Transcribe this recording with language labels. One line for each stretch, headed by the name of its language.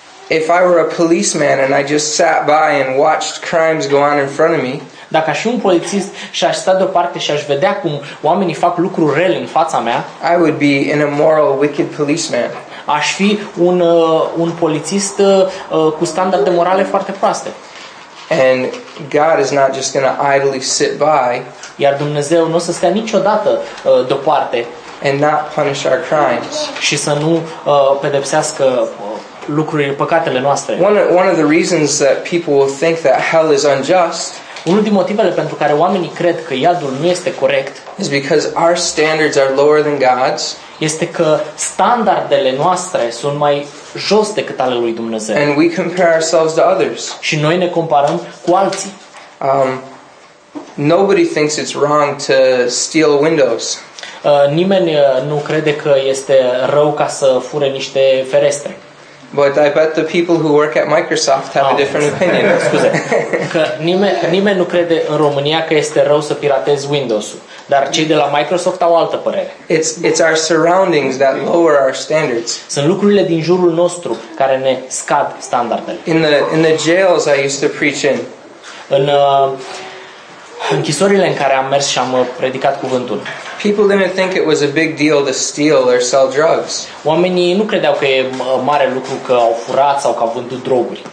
English: If I were a policeman and I just sat by and watched crimes go on in front of me,
Romanian: dacă aș fi un polițist și aș sta deoparte și aș vedea cum oamenii fac lucruri rele în fața mea,
English: I would be an immoral, wicked policeman.
Romanian: Aș fi un polițist cu standarde morale foarte proaste.
English: And God is not just going to idly sit by.
Romanian: Iar Dumnezeu nu o să stea niciodată deoparte.
English: And not punish our crimes.
Romanian: Și să nu pedepsească lucrurile, păcatele noastre.
English: One of the reasons that people will think that hell is unjust.
Romanian: Unul din motivele pentru care oamenii cred că iadul nu este corect.
English: Is because our standards are lower than God's.
Romanian: Este că standardele noastre sunt mai jos decât ale lui Dumnezeu.
English: And we compare ourselves to others.
Romanian: Și noi ne comparăm cu alții.
English: Nobody thinks it's wrong to steal windows.
Romanian: Nimeni nu crede că este rău ca să fure niște ferestre.
English: But I bet the people who work at Microsoft have a different opinion.
Romanian: Scuze. Că nimeni nu crede în România că este rău să piratezi Windows-ul, dar cei de la Microsoft au altă părere.
English: It's our surroundings that lower our standards.
Romanian: Sunt lucrurile din jurul nostru care ne scad standardele.
English: In the jails I used to preach in.
Romanian: În închisorile în care am mers și am predicat cuvântul.
English: People didn't think it was a big deal to steal or sell drugs.
Romanian: Oamenii nu credeau că e mare lucru că au furat sau că au vândut droguri.